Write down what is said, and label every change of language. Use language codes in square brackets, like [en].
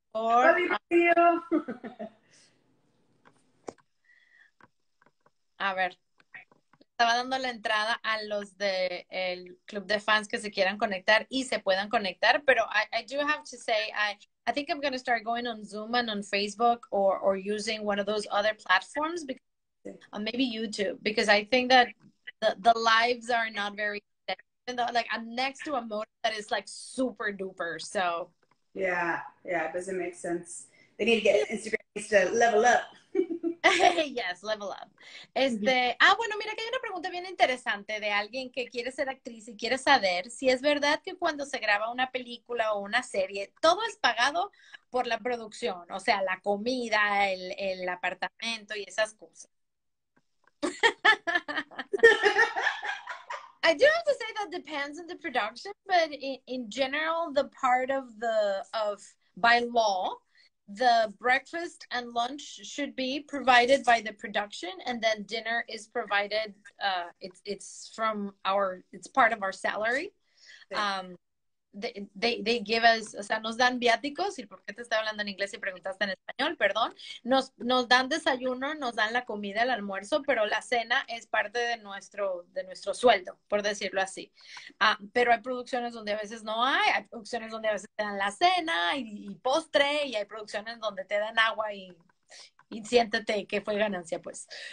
[es] A ver, estaba dando la entrada a los del club de fans que se quieran conectar y se puedan conectar, [en] pero I do have to say, I think I'm going to start going on Zoom and on Facebook or using one of those other platforms, because, maybe YouTube, because I think that the lives are not very, like, I'm next to a motor that is like super duper, so. Yeah, it doesn't make sense. They need to get Instagram to level up. Yes, level up. [es] Bueno, mira, que hay una pregunta bien interesante de alguien que quiere ser actriz y quiere saber si es verdad que cuando se graba una película o una serie, todo es pagado por la producción, o sea, la comida, el apartamento y esas cosas. [en] I do have to say that depends on the production, but in general, the part of the, by law, the breakfast and lunch should be provided by the production, and then dinner is provided, it's part of our salary. They give us, [es] o sea, nos dan viáticos, y por qué te estoy hablando en inglés y preguntaste en español, perdón, nos dan desayuno, nos dan la comida, el almuerzo, pero la cena es parte de nuestro sueldo, por decirlo así. Pero hay producciones donde a veces no hay, hay producciones donde a veces te dan la cena y postre, y hay producciones donde te dan agua y siéntete que fue ganancia, pues.